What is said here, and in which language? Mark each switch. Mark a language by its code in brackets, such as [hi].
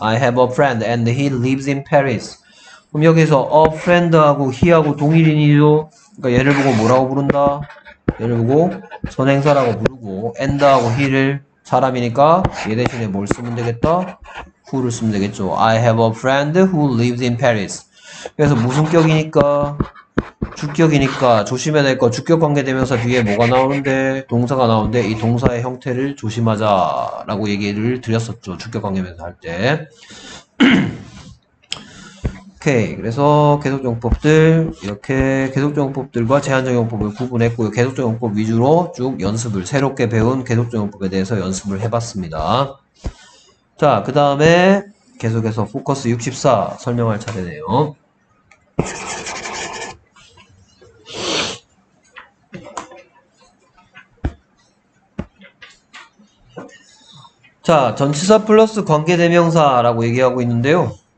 [en] I have a friend and he lives in Paris. [ko] 그럼 여기서 a friend하고 he하고 동일인이죠? 그러니까 얘를 보고 뭐라고 부른다? 얘를 보고 선행사라고 부르고 and하고 he를 사람이니까 얘 대신에 뭘 쓰면 되겠다? who를 쓰면 되겠죠? [en] I have a friend who lives in Paris. [ko] 그래서 무슨 격이니까 주격이니까 조심해야 될거 주격 관계되면서 뒤에 뭐가 나오는데 동사가 나오는데 이 동사의 형태를 조심하자라고 얘기를 드렸었죠 주격 관계되면서 할때 오케이 그래서 계속적 용법들 이렇게 계속적 용법들과 제한적 용법을 구분했고요 계속적 용법 위주로 쭉 연습을 새롭게 배운 계속적 용법에 대해서 연습을 해봤습니다 자그 다음에 계속해서 포커스 64 설명할 차례네요 자, 전치사 플러스 관계대명사라고 얘기하고 있는데요.